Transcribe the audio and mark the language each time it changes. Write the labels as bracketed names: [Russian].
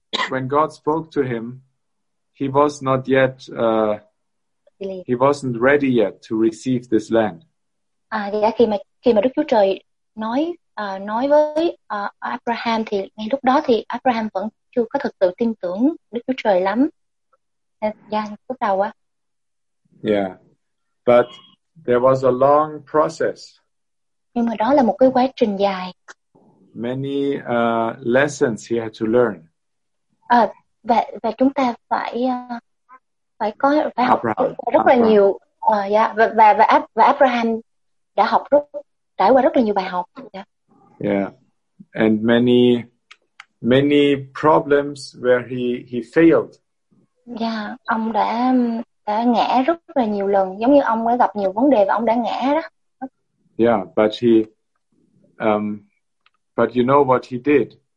[English] When God spoke to him, he was not yet. He wasn't ready yet to receive this land. [Vietnamese] Khi mà Đức Chúa Trời nói với Abraham thì ngay lúc đó thì Abraham vẫn chưa có thực sự tin tưởng Đức Chúa Trời lắm. Lúc đầu á. [English] Yeah, but there was a long process. [Vietnamese] Nhưng mà đó là một cái quá trình dài. [English] Many lessons he had to learn. [Vietnamese] Và chúng ta phải học rất là nhiều. Và Abraham đã học trải qua rất là nhiều bài học. [English] Yeah. And many problems where he failed. [Vietnamese] Yeah, ông đã ngã rất là nhiều lần, giống như ông đã gặp nhiều vấn đề và ông đã ngã đó. [English] Yeah, but but you know what he did?